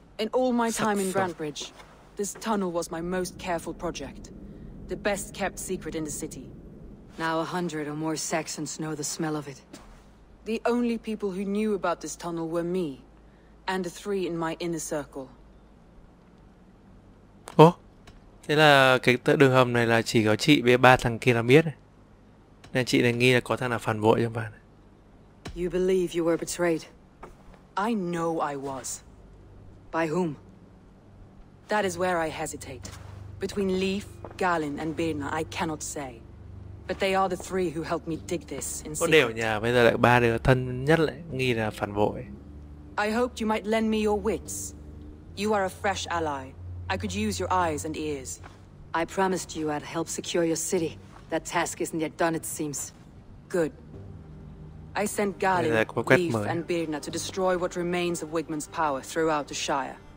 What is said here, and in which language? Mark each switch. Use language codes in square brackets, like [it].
[en] In all my time in Grantbridge, this tunnel was my most careful project. The best kept secret in the city. Now 100 or more Saxons know the smell of it. The only people who knew about this tunnel were me, and the three in my inner circle. [vi] Oh, thế là cái đường hầm này là chỉ có chị với ba thằng kia là biết này. Nên chị này nghi là có thằng nào phản bội trong bạn. [en] You believe you were betrayed? I know I was. By whom? That is where I hesitate. Between Leif, Galen, and Birna, I cannot say. But they are the three who helped me dig this in [vi] secret. Có đều nhà, bây giờ lại ba đứa thân nhất lại nghi là phản bội. [en] I hoped you might lend me your wits. You are a fresh ally. I could use your eyes and ears. I promised you I'd help secure your city. That task isn't yet done, it seems. Good. I sent Galen, Leif, and Birna to destroy what remains of Wigman's power throughout the Shire.